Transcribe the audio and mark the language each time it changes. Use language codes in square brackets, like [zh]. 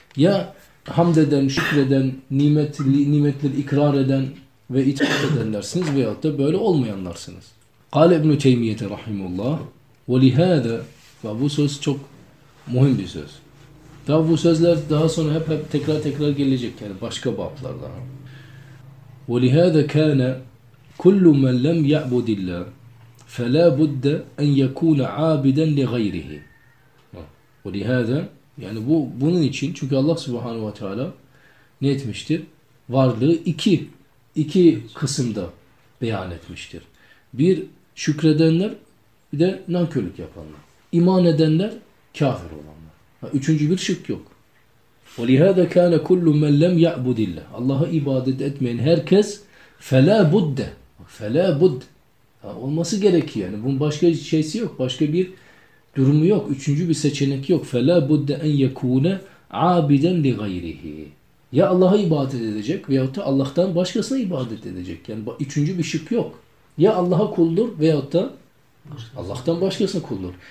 [tr] Ya hamd eden, şükreden, nimetleri ikrar eden ve itaat edenlersiniz veyahut da böyle olmayanlarsınız. Kale İbn-i Teymiyyete rahimullah ve lihâde ve bu söz çok mühim bir söz. Daha bu sözler daha sonra hep tekrar tekrar gelecek yani başka bablarda. [ar] وَلِهَذَا كَانَ كُلُّ مَنْ لَمْ يَعْبُدِ اللّٰهِ فَلَا بُدَّ اَنْ يَكُونَ عَابِدًا لِغَيْرِهِ وَلِهَذَا [tr] Yani bu bunun için çünkü Allah subhanahu ve teala ne etmiştir? Varlığı iki kısımda beyan etmiştir. Bir şükredenler bir de nankörlük yapanlar. İman edenler kafir olanlar. Ha, üçüncü bir şık yok. [ar] وَلِهَذَا كَانَ كُلُّ مَنْ لَمْ يَعْبُدِ اللّٰهِ [tr] Allah'a ibadet etmeyen herkes [ar] فَلَا بُدَّ فَلَا بُدَّ [tr] Olması gerekiyor yani. Bunun başka bir şeysi yok. Başka bir durumu yok. Üçüncü bir seçenek yok. [ar] فَلَا بُدَّ اَنْ يَكُونَ عَابِدًا لِغَيْرِهِ [tr] Ya Allah'a ibadet edecek veyahut da Allah'tan başkasına ibadet edecek. Yani üçüncü bir şık yok. Ya Allah'a kuldur veyahut da Allah'tan başkasına kuldur.